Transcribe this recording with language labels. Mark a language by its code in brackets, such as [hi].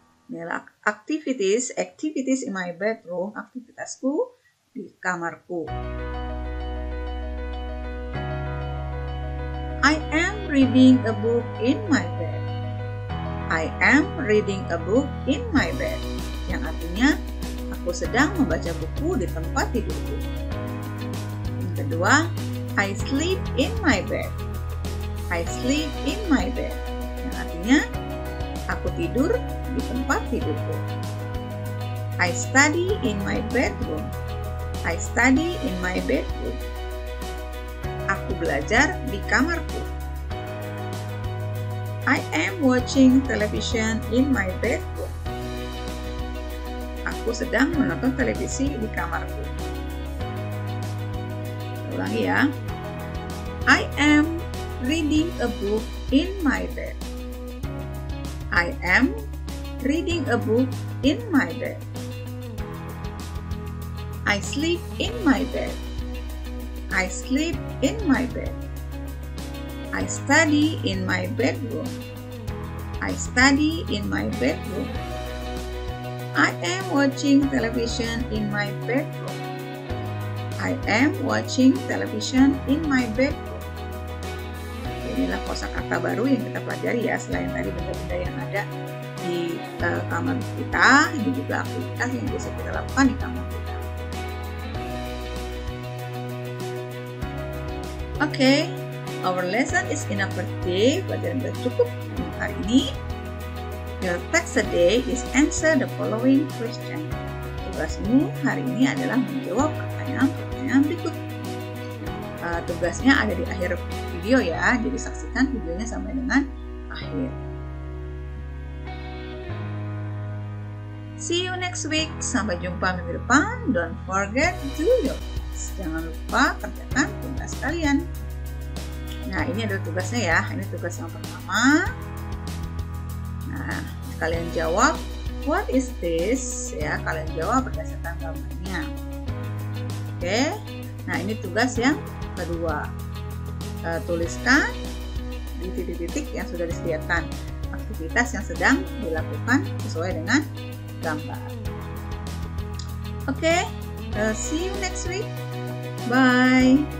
[en] Nilak activities, activities in my bedroom, [id] aktivitasku di kamarku. [en] I am reading a book in my bed. I am reading a book in my bed. [id] Yang artinya, aku sedang membaca buku di tempat tidurku. Yang kedua, [en] I sleep in my bed. I sleep in my bed. [id] Yang artinya, aku tidur di tempat tidurku. [en] I study in my bedroom. I study in my bedroom. [id] Aku belajar di kamarku. [en] I am watching television in my bedroom. [id] Aku sedang menonton televisi di kamarku. Ulangi ya. [en] I am reading a book in my bed. I am reading a book in my bed. I sleep in my bed. I sleep in my bed. I study in my bedroom. I study in my bedroom. I am watching television in my bedroom. I am watching television in my bedroom. [id] Inilah kosakata baru yang kita pelajari ya, selain dari benda-benda yang ada di kamar kita, ini juga aktivitas yang bisa kita lakukan di kamar kita. [en] Okay, our lesson is enough for today. [id] Pelajaran sudah cukup untuk hari ini. [en] Your text a day is answer the following question. [id] Tugasmu hari ini adalah menjawab pertanyaan-pertanyaan berikut. Tugasnya ada di akhir video ya, jadi saksikan videonya sampai dengan akhir. [en] See you next week. [id] Sampai jumpa minggu depan. [en] Don't forget to do your best. [id] Jangan lupa kerjakan tugas kalian. Nah, ini adalah tugasnya ya. Ini tugas yang pertama. Nah, kalian jawab, [en] what is this? [id] Ya, kalian jawab berdasarkan gambarnya. Oke. Nah, ini tugas yang kedua. Tuliskan di titik-titik yang sudah disediakan. Aktivitas yang sedang dilakukan sesuai dengan gambar. [en] Oke, see you next week. Bye.